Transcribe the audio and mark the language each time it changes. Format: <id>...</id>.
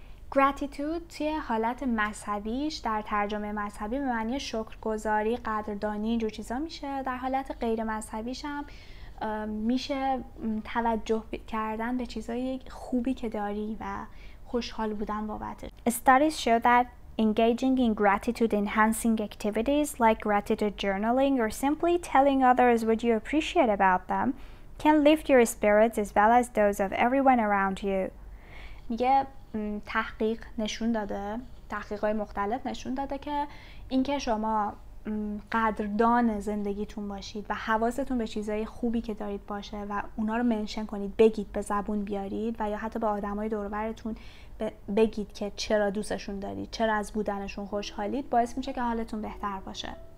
<fa>Gratitude توی حالت مذهبیش در ترجمه مذهبی به معنی شکرگزاری، قدردانی اینجور چیزا میشه. در حالت غیر مذهبیش هم میشه توجه کردن به چیزای خوبی که داری و خوشحال بودن بابتش.</fa> <en>Studies show that engaging in gratitude enhancing activities like gratitude journaling or simply telling others what you appreciate about them can lift your spirits as well as those of everyone around you.</en> <fa>میگه تحقیق نشون داده، تحقیقات مختلف نشون داده که اینکه شما قدردان زندگیتون باشید و حواستون به چیزای خوبی که دارید باشه و اونا رو منشن کنید، بگید، به زبون بیارید و یا حتی به آدمای دور و برتون بگید که چرا دوستشون دارید، چرا از بودنشون خوشحالید، باعث میشه که حالتون بهتر باشه.</fa>